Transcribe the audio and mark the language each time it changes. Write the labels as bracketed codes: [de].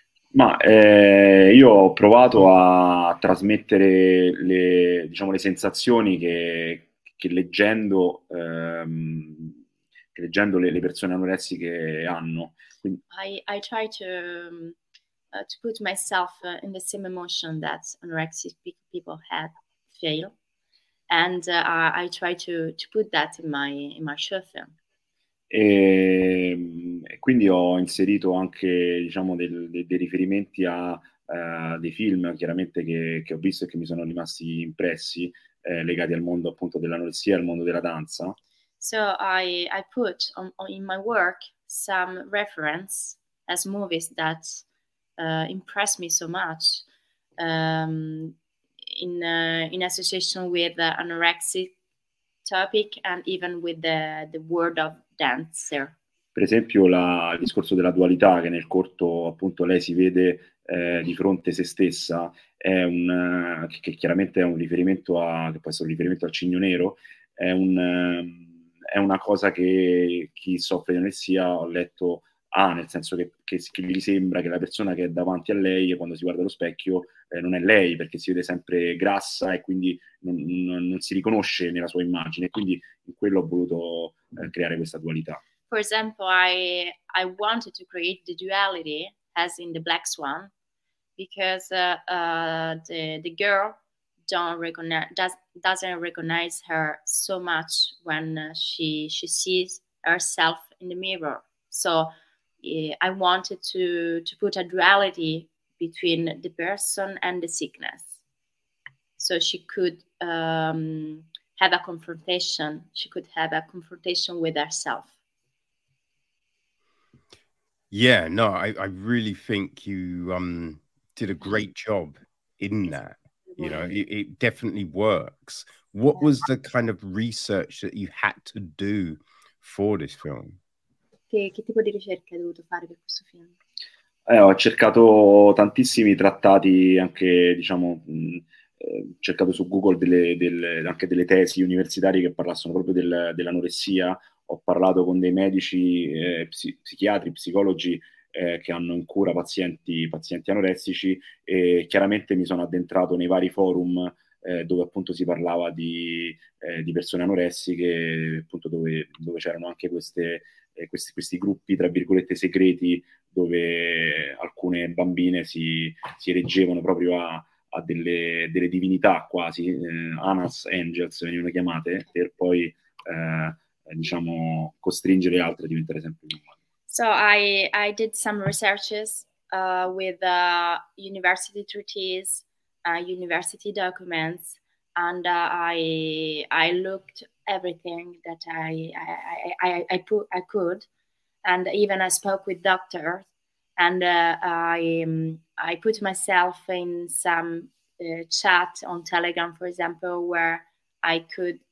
[it] Ma io ho provato a trasmettere le sensazioni che leggendo le persone anoressiche hanno. Quindi, [en] I try to put myself in the same emotion that anorexic people had feel, and I try to put that in my short film. [it] Quindi ho inserito anche, diciamo, dei riferimenti a dei film chiaramente che ho visto e che mi sono rimasti impressi, legati al mondo appunto dell'anoressia, al mondo della danza. [en] So I put on in my work some reference as movies that impressed me so much in association with the anorexic topic and even with the world of dancer. [it] Per esempio, il discorso della dualità, che nel corto appunto lei si vede di fronte a se stessa, che chiaramente è un riferimento che può essere un riferimento al Cigno Nero, è una cosa che chi soffre di anoressia, ho letto, ha, nel senso che gli sembra che la persona che è davanti a lei, quando si guarda allo specchio, non è lei, perché si vede sempre grassa e quindi non si riconosce nella sua immagine. Quindi in quello ho voluto creare questa dualità. [en] For example, I wanted to create the duality as in the Black Swan, because the girl don't recognize doesn't recognize her so much when she sees herself in the mirror. So I wanted to put a duality between the person and the sickness, so she could have a confrontation. She could have a confrontation with herself. Yeah, no, I really think you did a great job in that. You know, it definitely works. What was the kind of research that you had to do for this film? [it] Che tipo di ricerca hai dovuto fare per questo film? Ho cercato tantissimi trattati, anche, diciamo, cercato su Google anche delle tesi universitarie che parlassero proprio dell'anoressia. Ho parlato con dei medici, psichiatri, psicologi che hanno in cura pazienti anoressici e chiaramente mi sono addentrato nei vari forum dove appunto si parlava di persone anoressiche, appunto dove c'erano anche questi gruppi, tra virgolette, segreti dove alcune bambine si reggevano proprio a delle divinità quasi, Anas Angels venivano chiamate, per poi diciamo, costringere altre a diventare sempre più umane. [en] So I did some researches with university treaties, university documents, and I looked everything that I could, and even I spoke with doctors, and I put myself in some chat on Telegram, for example, where I could